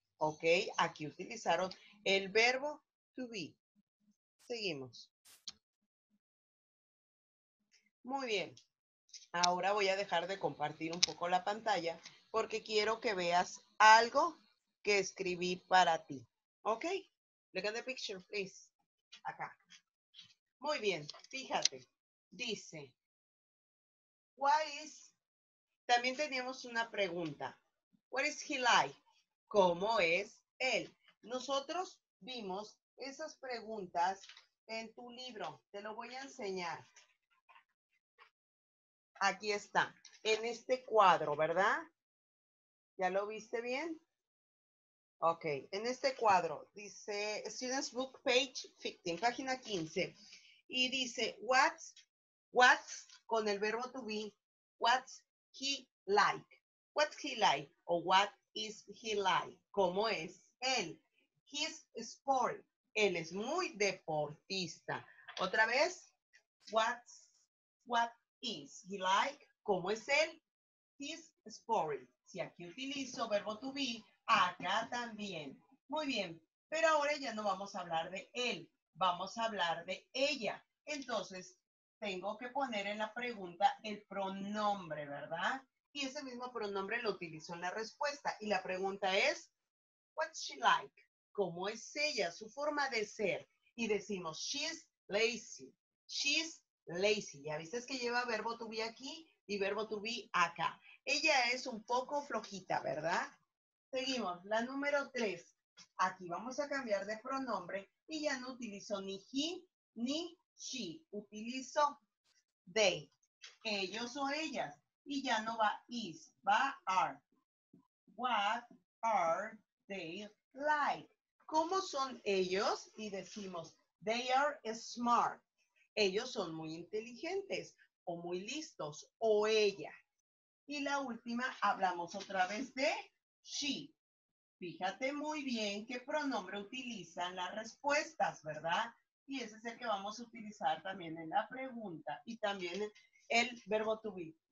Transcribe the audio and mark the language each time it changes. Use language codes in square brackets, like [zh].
[es] Ok, aquí utilizaron el verbo to be. Seguimos. Muy bien. Ahora voy a dejar de compartir un poco la pantalla porque quiero que veas algo que escribí para ti. [en] Ok, look at the picture, please. [es] Acá. Muy bien, fíjate. Dice, [en] what is, [es] también teníamos una pregunta. [en] What is he like? [es] ¿Cómo es él? Nosotros vimos esas preguntas en tu libro. Te lo voy a enseñar. Aquí está, en este cuadro, ¿verdad? ¿Ya lo viste bien? Ok, en este cuadro dice Students Book Page 15, página 15. Y dice, what's, con el verbo to be, [en] what's he like? What's he like? O what is he like? [es] ¿Cómo es él? [en] He's sporty. [es] Él es muy deportista. Otra vez, [en] what is he like? [es] ¿Cómo es él? [en] He's sporty. [es] Si aquí utilizo verbo to be, acá también. Muy bien, pero ahora ya no vamos a hablar de él, vamos a hablar de ella. Entonces, tengo que poner en la pregunta el pronombre, ¿verdad? Y ese mismo pronombre lo utilizo en la respuesta. Y la pregunta es, [en] what's she like? [es] ¿Cómo es ella? Su forma de ser. Y decimos, [en] she's lazy. She's lazy. [es] ¿Ya viste que lleva verbo to be aquí y verbo to be acá? Ella es un poco flojita, ¿verdad? Seguimos. La número 3. Aquí vamos a cambiar de pronombre y ya no utilizo ni he ni she. Utilizo they. Ellos o ellas. Y ya no va is, va are. [en] What are they like? [es] ¿Cómo son ellos? Y decimos, [en] they are smart. [es] Ellos son muy inteligentes o muy listos o ella. Y la última, hablamos otra vez de she. Fíjate muy bien qué pronombre utilizan las respuestas, ¿verdad? Y ese es el que vamos a utilizar también en la pregunta y también el verbo to be.